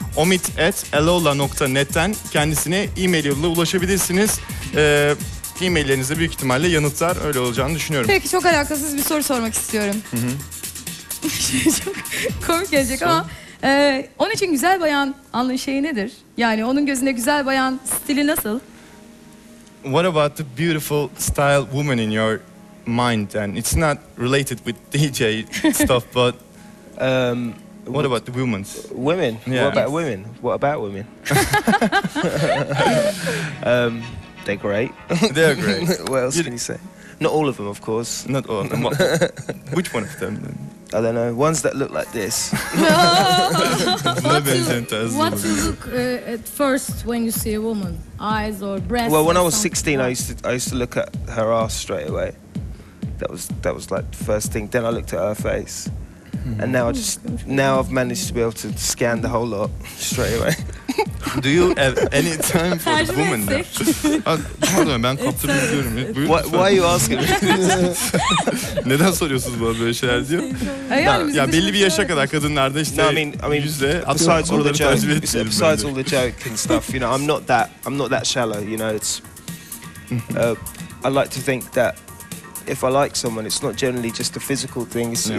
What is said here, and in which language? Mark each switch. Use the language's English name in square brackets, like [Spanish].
[Turkish] omit@elola.net'ten kendisine e-mail yoluyla ulaşabilirsiniz. E-maillerinize büyük ihtimalle yanıtlar öyle olacağını düşünüyorum. Peki, çok alakasız bir soru sormak istiyorum. Çok komik gelecek ama onun için güzel bayan anlayış şeyi nedir? Yani onun gözünde güzel bayan stili nasıl? [English] What about the beautiful style woman in your mind? And it's not related with DJ stuff, but what about the women's? Women? Yeah. What about women? What about women? They're great. They're great. What else can you say? Not all of them, of course. Not all of them. Which one of them? I don't know. Ones that look like this. What do you look at first when you see a woman? Eyes or breasts? Well, when I was 16, I used to look at her ass straight away. That was like the first thing. Then I looked at her face. And now I've managed to be able to scan the whole lot straight away. Do you have any time for the woman now? [Turkish] Pardon, ben kaptırmayı diyorum. [English] Why are you asking? [Turkish] Neden soruyorsunuz bana böyle şeyler diyor? Ya belli bir yaşa kadar kadınlarda işte yüzle [English] besides all the joke, besides all the joke and stuff, you know, I'm not that shallow, you know, it's I like to think that if I like someone, it's not generally just a physical thing.